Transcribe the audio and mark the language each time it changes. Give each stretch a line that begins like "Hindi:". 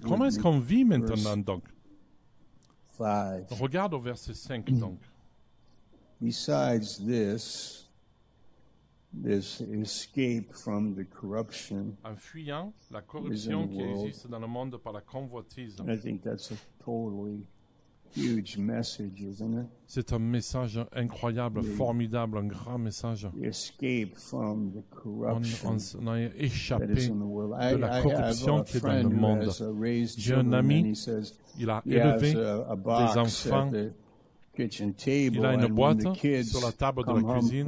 French: Comment est-ce qu'on vit maintenant donc? Regarde au verset 5 donc.
English: Besides this, this escape from the corruption
French: en fuyant la corruption qui existe dans le monde par la convoitise.
English: I think that's a totally huge message, isn't it?
French: C'est un message incroyable, formidable, un grand message.
English: Escape from the corruption
French: on a échappé de la corruption qui est dans le monde. J'ai un ami, il a élevé des enfants. Il a une boîte sur la table de la cuisine.